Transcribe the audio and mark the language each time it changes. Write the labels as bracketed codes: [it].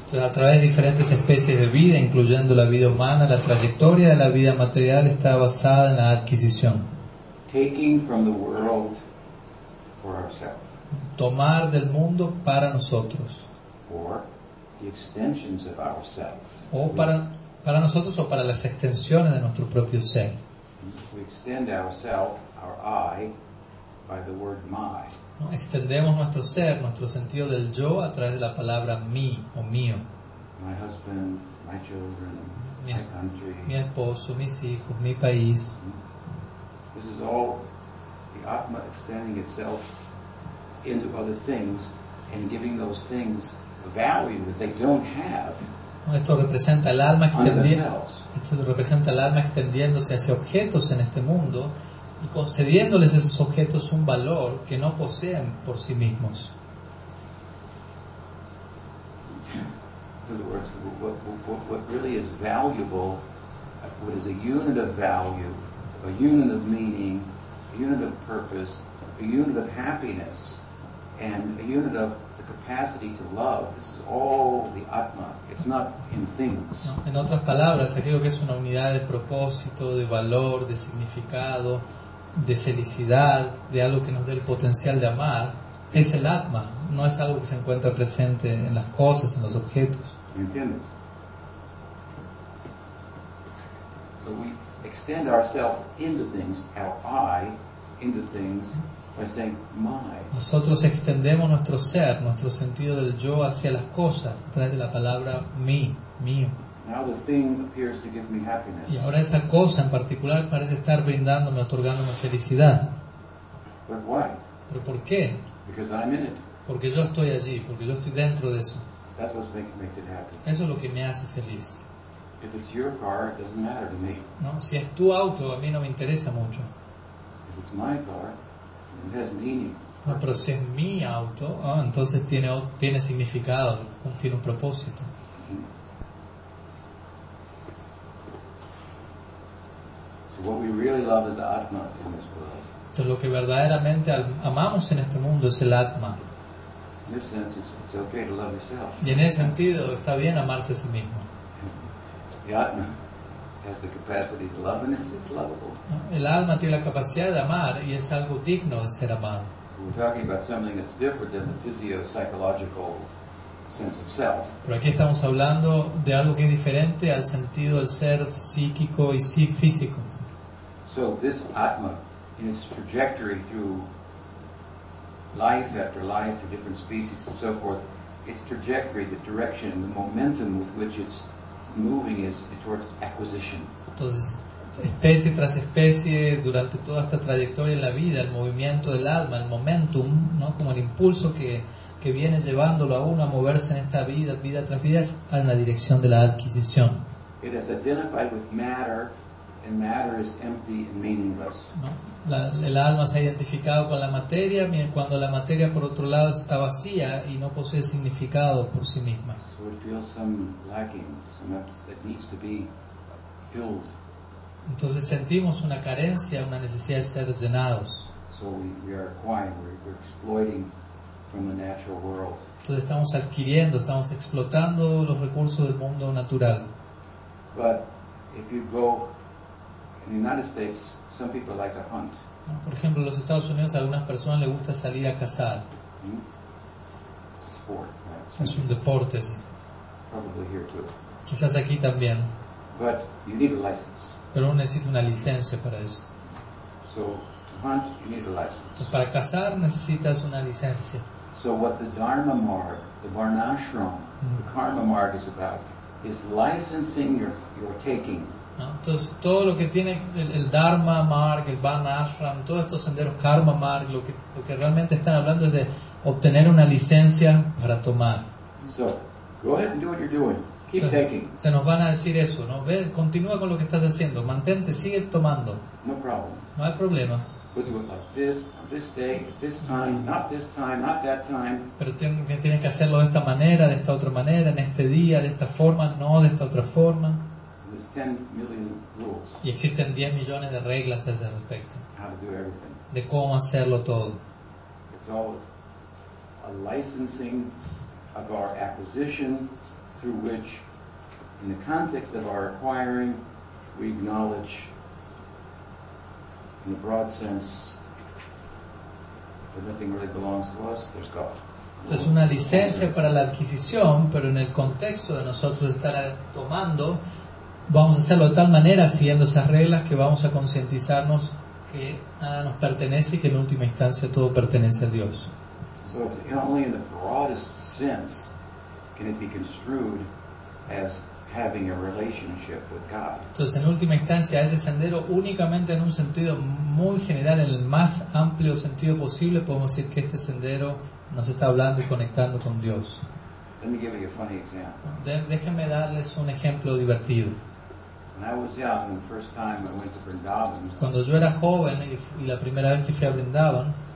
[es] Entonces, a través de diferentes especies de vida, incluyendo la vida humana, la trayectoria de la vida material está basada en la adquisición. [en] Taking from the world for ourselves. [es] tomar del mundo para nosotros. [en] Or the extensions of ourself. [es] O para nosotros o para las extensiones de nuestro propio ser. [en] If we extend ourselves, our I, by the word my. [es] ¿No? Extendemos nuestro ser, nuestro sentido del yo a través de la palabra mí o mío. [en] My husband, my children, my country. [es] Mi esposo, mis hijos, mi país. [en] This is all the Atma extending itself into other things and giving those things value that they don't have. [es] Esto representa el alma extendiéndose hacia objetos en este mundo y concediéndoles a esos objetos un valor que no poseen por sí mismos. [en] In other words, what really is valuable, what is a unit of value, a unit of meaning, a unit of purpose, a unit of happiness, and a unit of the capacity to love. This is all the Atma. It's not in things. [es] No, en otras palabras, aquello que es una unidad de propósito, de valor, de significado, de felicidad, de algo que nos dé el potencial de amar, es el Atma. No es algo que se encuentra presente en las cosas, en los objetos. ¿Me entiendes? [en] So we extend ourselves into things, our I, into things. By saying, my. [es] Nosotros extendemos nuestro ser, nuestro sentido del yo hacia las cosas a través de la palabra mí, mío. [en] Now the thing appears to give me happiness. [es] Y ahora esa cosa en particular parece estar brindándome, otorgándome felicidad. [en] But why? [es] ¿Pero por qué? [en] Because I'm in it. [es] Porque yo estoy allí, porque yo estoy dentro de eso. [en] That's what makes it happy. [es] Eso es lo que me hace feliz. [en] If it's your car, it doesn't matter to me. [es] No, si es tu auto, a mí no me interesa mucho. [en] If it's my car, it has meaning. [es] No, pero si es mi auto, entonces tiene significado, tiene un propósito. [en] So what we really love is the Atma in this world. [es] Entonces lo que verdaderamente amamos en este mundo es el Atma. [en] In this sense, it's okay to love yourself. [es] Y en ese sentido está bien amarse a sí mismo. [en] The Atma has the capacity to love, and it's lovable. [es] El alma tiene la capacidad de amar y es algo digno de ser amado. [en] We're talking about something that's different than the physio-psychological sense of self. [es] Pero aquí estamos hablando de algo que es diferente al sentido del ser psíquico y físico. [en] So this Atma, in its trajectory through life after life for different species and so forth, its trajectory, the direction, the momentum with which it's moving is towards acquisition. [es] Entonces, especie tras especie, durante toda esta trayectoria en la vida, el movimiento del alma, el momentum, ¿no? Como el impulso que viene llevándolo a uno a moverse en esta vida, vida tras vida, es en la dirección de la adquisición. [en] It has identified with matter, and matter is empty and meaningless. [es] ¿No? El alma se ha identificado con la materia, cuando la materia por otro lado está vacía y no posee significado por sí misma. [en] So it feels some lacking, that needs to be filled. [es] Entonces sentimos una carencia, una necesidad de ser llenados. [en] So we are acquiring, we're exploiting from the natural world. [es] Entonces estamos adquiriendo, estamos explotando los recursos del mundo natural. [en] But if you go in the United States, some people like to hunt. [es] Por ejemplo, en los Estados Unidos a algunas personas les gusta salir a cazar. [en] It's a sport, right? [es] Es un deporte, sí. [en] Probably here too. [es] Quizás aquí también. [en] But you need a license. [es] Pero uno necesita una licencia para eso. [en] So, to hunt, you need a license. [es] Entonces, para cazar necesitas una licencia. [en] So what the Dharma Marg, the Varnashram, the Karma Marg is about is licensing your taking. [es] ¿No? Entonces todo lo que tiene el Dharma Marg, el Varnashram, todos estos senderos, Karma Marg, lo que realmente están hablando es de obtener una licencia para tomar. [en] So, go ahead and do what you're doing. Keep [es] entonces, [en] taking. [es] Se nos van a decir eso, ¿no? Ve, continúa con lo que estás haciendo, mantente, sigue tomando. [en] No problem. [es] No hay problema. [en] We'll do it like this, on this day, at this time, not this time, not that time. [es] Pero tienes que hacerlo de esta manera, de esta otra manera, en este día, de esta forma, no de esta otra forma. [en] There's 10 million rules. [es] Y existen 10 millones de reglas a ese respecto. [en] How to do everything. [es] De cómo hacerlo todo. [en] It's all a licensing of our acquisition through which, in the context of our acquiring, we acknowledge, in a broad sense, that nothing really belongs to us, there's God. [es] Entonces una licencia para la adquisición, pero en el contexto de nosotros estar tomando, vamos a hacerlo de tal manera siguiendo esas reglas que vamos a concientizarnos que nada nos pertenece y que en última instancia todo pertenece a Dios. [en] So only in the broadest sense can it be construed as having a relationship with God. [es] Entonces en última instancia ese sendero únicamente en un sentido muy general, en el más amplio sentido posible, podemos decir que este sendero nos está hablando y conectando con Dios. [en] Let me give you a funny example. [es] Déjenme darles un ejemplo divertido. [en] When I was young, the first time I went to Vrindavan, [es] cuando yo era joven y la primera vez que fui a Vrindavan,